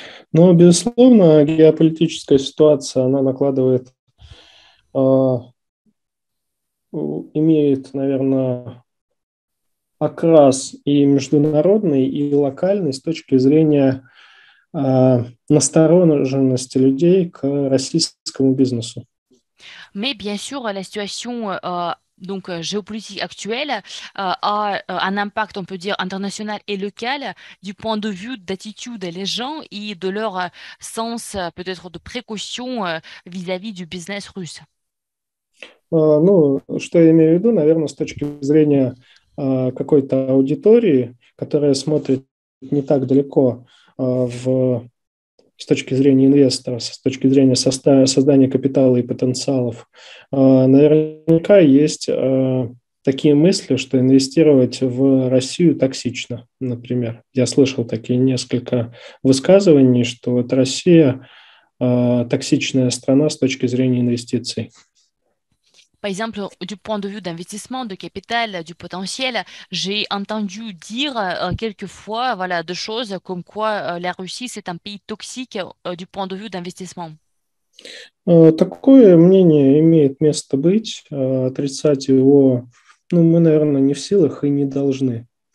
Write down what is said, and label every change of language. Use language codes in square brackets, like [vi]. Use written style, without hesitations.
[ru] Но, безусловно, геополитическая ситуация, она накладывает, имеет, наверное, окрас и международный, и локальный с точки зрения настороженности людей к российскому бизнесу. [fr] Mais bien sûr, la situation donc géopolitique actuelle a un impact, on peut dire, international et local du point de vue d'attitude des gens et de leur sens peut-être de précaution vis-à-vis du business russe. [ru] Ну, что я имею в виду, наверное, с точки зрения какой-то аудитории, которая смотрит не так далеко с точки зрения инвестора, с точки зрения создания капитала и потенциалов, наверняка есть такие мысли, что инвестировать в Россию токсично, например. Я слышал такие несколько высказываний, что вот Россия токсичная страна с точки зрения инвестиций. [fr] Par exemple, du point de vue d'investissement, de capital, du potentiel, j'ai entendu dire quelquefois voilà, des choses comme quoi la Russie, c'est un pays toxique du point de vue d'investissement. [ru] Такое мнение имеет место быть. Отрицать его, ну, мы, наверное, не в силах и не должны.